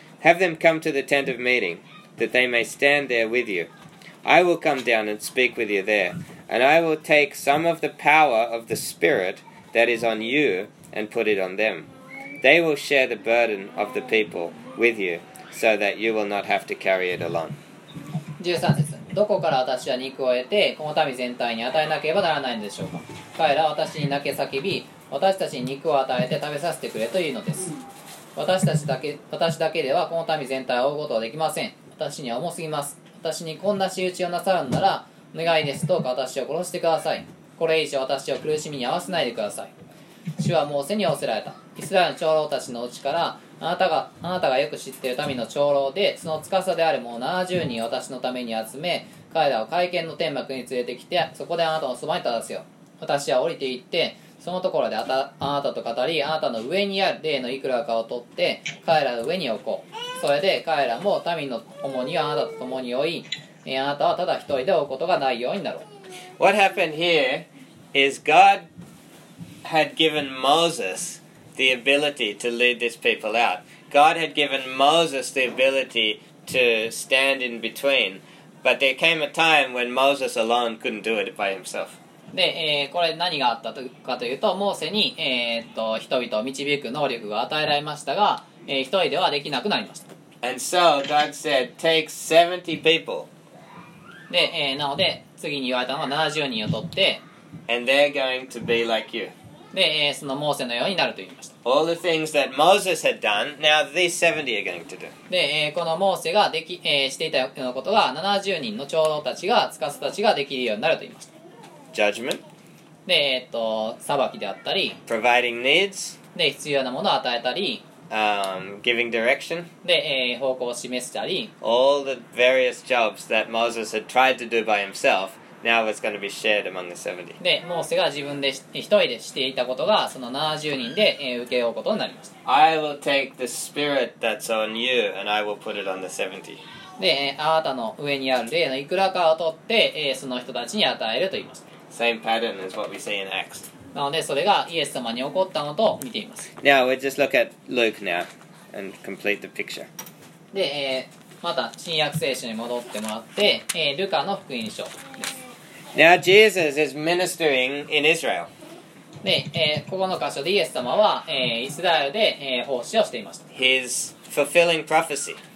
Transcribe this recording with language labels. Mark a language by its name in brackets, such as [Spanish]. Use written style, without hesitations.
[English] Have them come to the tent of meeting, that they may stand there with you. I will come down and speak with you there, and I will take some of the power of the Spirit that is on you and put it on them. They will share the burden of the people with you, so that you will not have to carry it alone. [Japanese] 13節。どこから私は肉を得て、この民全体に与えなければならないんでしょうか。彼らは私に泣け叫び、私たちに肉を与えて食べさせてくれというのです。私だけではこの民全体を追うことはできません。私には重すぎます。私にこんな仕打ちをなさるなら、お願いです。どうか私を殺してください。これ以上私を苦しみに合わせないでください。主はモーセに仰せられた。イスラエルの長老たちのうちから、あなたがよく知っている民の長老で、その司である者70人を私のために集め、彼らを会見の天幕に連れてきて、そこであなたのそばに立たせよ。私は降りて行って、そのところであなたと語り、あなたの上にある霊のいくらかを取って、彼らの上に置こう。それで彼らも民の共にあなたと共に追い、あなたはただ一人で追うことがないようになろう。 [English] What happened here is God had given Moses the ability to lead this people out. God had given Moses the ability to stand in between, but there came a time when Moses alone couldn't do it by himself. [Japanese] で、これ何があったかというと、モーセに、人々を導く能力が与えられましたが、一人ではできなくなりました。 [English] And so God said, take 70 people. [Japanese] で、なので次に言われたのは70人を取って、 [English] And they're going to be like you. [Japanese] で、そのモーセのようになると言いました。 [English] All the things that Moses had done, now these 70 are going to do. [Japanese] で、このモーセができ、していたようなことが70人の長老たちが、司たちができるようになると言いました。 [English] Judgment. [Japanese] で、裁きであったり、 [English] Providing needs. [Japanese] で、必要なものを与えたり、 [English] Giving direction. [Japanese] で、方向を示したり、 [English] All the various jobs that Moses had tried to do by himself, now was going to be shared among the 70. [Japanese] で、モーセが自分で一人でしていたことが、その70人で、受け負うことになりました。 [English] I will take the spirit that's on you, and I will put it on the 70. [Japanese] で、あなたの上にある霊のいくらかを取って、その人たちに与えると言いました。 [English] Same pattern as what we see in Acts. [Japanese] なのでそれがイエス様に起こったのと見ています。 [English] Now we'll just look at Luke now and complete the picture. [Japanese] で、また新約聖書に戻ってもらって、ルカの福音書です。 [English] Now Jesus is ministering in Israel. [Japanese] で、ここの箇所でイエス様は、イスラエルで、奉仕をしていました。 [English] He's fulfilling prophecy.